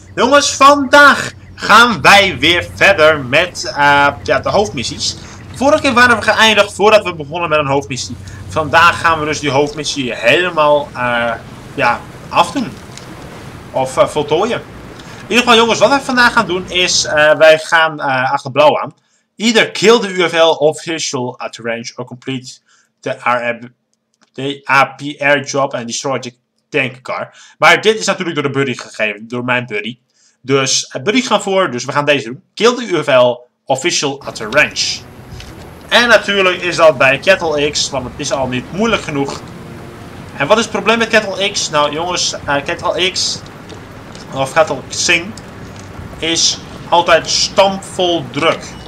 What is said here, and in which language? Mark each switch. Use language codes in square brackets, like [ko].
[nl] Jongens, vandaag gaan wij weer verder met de hoofdmissies. Vorige keer waren we geëindigd voordat we begonnen met een hoofdmissie. Vandaag gaan we dus die hoofdmissie helemaal afdoen. Of voltooien. In ieder geval, jongens, wat wij vandaag gaan doen is, wij gaan achter blauw aan. [en] Either kill the UFL official at range or complete the APR job and destroy the tank car. [nl] Maar dit is natuurlijk door de buddy gegeven, door mijn buddy. Dus buddy gaan voor, dus we gaan deze doen. [en] Kill the UFL official at the ranch. [nl] En natuurlijk is dat bij Kettle X, want het is al niet moeilijk genoeg. En wat is het probleem met Kettle X? Nou jongens, Kettle X, of Kettle Xing, is altijd stampvol druk.